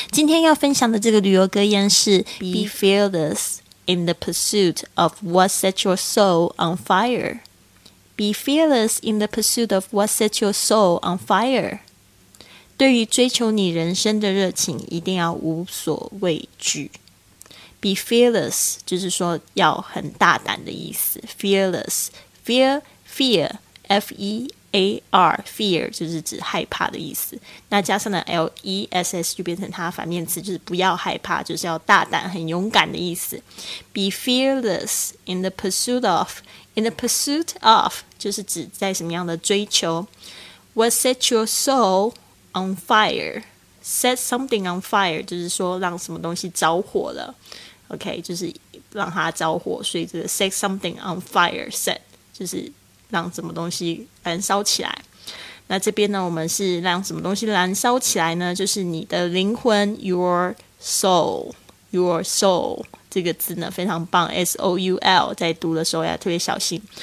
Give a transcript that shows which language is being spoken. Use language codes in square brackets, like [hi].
[zh] 今天要分享的这个旅游格言是 [en] Be fearless in the pursuit of what sets your soul on fire. Be fearless in the pursuit of what sets your soul on fire. [zh] 对于追求你人生的热情一定要无所畏惧。 [en] Be fearless, [zh] 就是说要很大胆的意思。 Fearless, fear, F-E-A-R, fear, 就是指害怕的意思。那加上了 L-E-S-S 就变成它反面词，就是不要害怕，就是要大胆，很勇敢的意思。 [en] Be fearless in the pursuit of, in the pursuit of, [zh] 就是指在什么样的追求。 [en] What set your soul on fire? Set something on fire, [zh] 就是说让什么东西着火了。 OK, 就是让它着火。所以这个 [en] set something on fire, set, [zh] 就是让什么东西燃烧起来。那这边呢，我们是让什么东西燃烧起来呢？就是你的灵魂 ,your soul, your soul, 这个字呢非常棒 ,S-O-U-L, 在读的时候要特别小心。